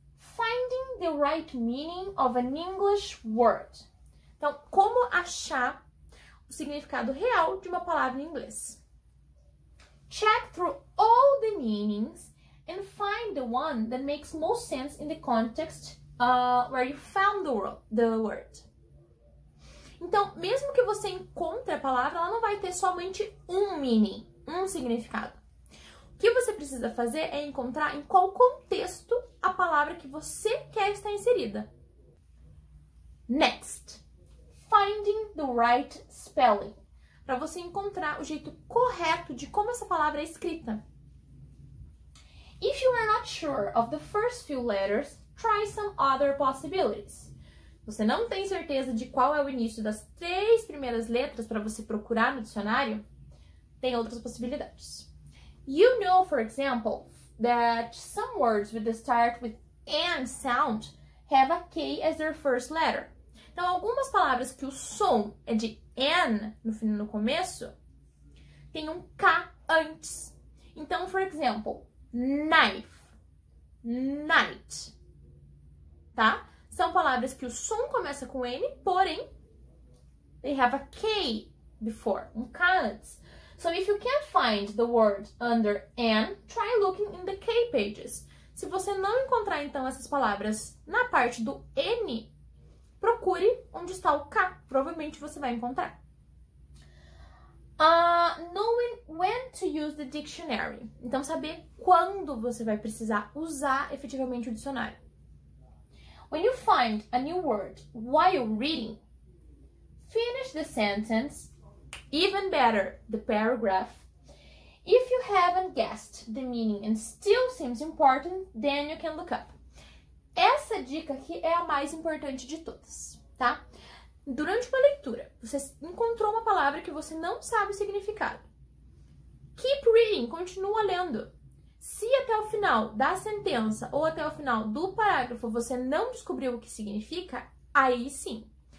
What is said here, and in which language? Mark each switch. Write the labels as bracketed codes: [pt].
[en] Finding the right meaning of an English word. [pt] Então, como achar o significado real de uma palavra em inglês? [en] Check through all the meanings and find the one that makes most sense in the context where you found the word. [pt] Então, mesmo que você encontre a palavra, ela não vai ter somente um meaning, um significado. O que você precisa fazer é encontrar em qual contexto a palavra que você quer estar inserida. [en] Next, finding the right spelling, [pt] para você encontrar o jeito correto de como essa palavra é escrita. [en] If you are not sure of the first few letters, try some other possibilities. [pt] Você não tem certeza de qual é o início das três primeiras letras para você procurar no dicionário? Tem outras possibilidades. [en] You know, for example, that some words with the start with an sound have a K as their first letter. [pt] Então, algumas palavras que o som é de an no final, no começo, tem um K antes. [en] Então, for example, knife, night, tá? [pt] São palavras que o som começa com N, porém, [en] they have a K before, [pt] um K antes. [en] So if you can't find the word under an, try looking in the K pages. [pt] Se você não encontrar, então, essas palavras na parte do N, procure onde está o K, provavelmente você vai encontrar. [en] Knowing when to use the dictionary. [pt] Então, saber quando você vai precisar usar efetivamente o dicionário. [en] When you find a new word while reading, finish the sentence, even better, the paragraph. If you haven't guessed the meaning and still seems important, then you can look up. [pt] Essa dica aqui é a mais importante de todas, tá? Durante uma leitura, você encontrou uma palavra que você não sabe o significado. [en] Keep reading, [pt] continua lendo. Se até o final da sentença ou até o final do parágrafo você não descobriu o que significa, aí sim.